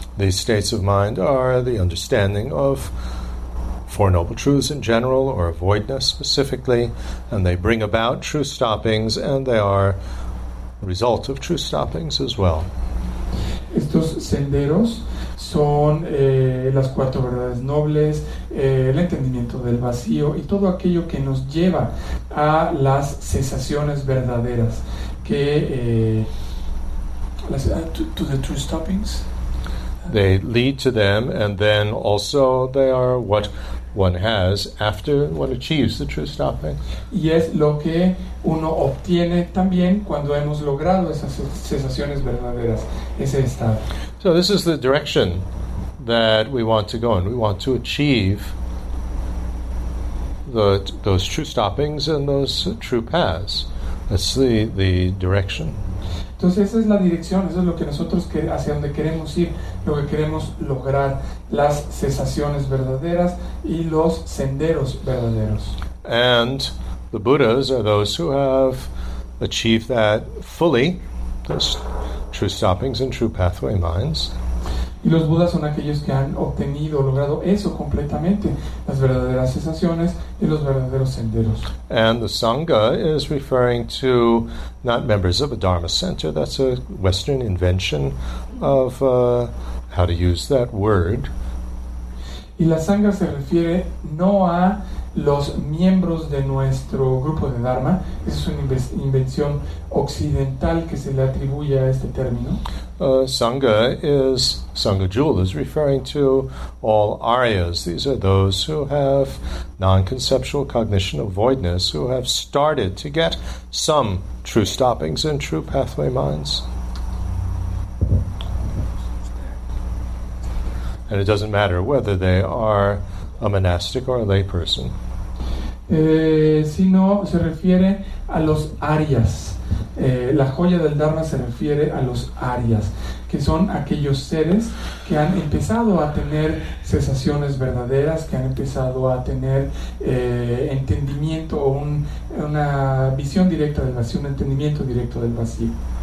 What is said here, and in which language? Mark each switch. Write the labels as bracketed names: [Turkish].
[English] These states of mind are the understanding of four noble truths in general, or of voidness specifically, and they bring about true stoppings, and they are a result of true stoppings as well. [Spanish] Estos senderos son las cuatro verdades nobles, el entendimiento del vacío y todo aquello que nos lleva a las cesaciones verdaderas, que [English] to the true stoppings. They lead to them, and then also they are what one has after one achieves the true stopping. [Spanish] Y es lo que uno obtiene también cuando hemos logrado esas cesaciones verdaderas, ese estado. [English] So this is the direction that we want to go in. We want to achieve those true stoppings and those true paths. That's the direction. [Spanish] Entonces esa es la dirección, eso es lo que nosotros hacia donde queremos ir, lo que queremos lograr, las cesaciones verdaderas y los senderos verdaderos. [English] And the Buddhas are those who have achieved that fully, those true stoppings and true pathway minds. [Spanish] Y los Budas son aquellos que han obtenido, logrado eso completamente, las verdaderas cesaciones y los verdaderos senderos. [English] And the Sangha is referring to not members of a Dharma center, that's a Western invention of how to use that word. [Spanish] Y la Sangha se refiere no a los miembros de nuestro grupo de Dharma, es una invención occidental que se le atribuye a este término. [English] Sangha Jewel is referring to all Aryas. These are those who have non-conceptual cognition of voidness, who have started to get some true stoppings and true pathway minds. And it doesn't matter whether they are a monastic or a lay person. [Spanish] Sino se refiere a los Aryas. La joya del Dharma se refiere a los Aryas, que son aquellos seres que han empezado a tener cesaciones verdaderas, que han empezado a tener entendimiento o una visión directa del vacío, un entendimiento directo del vacío.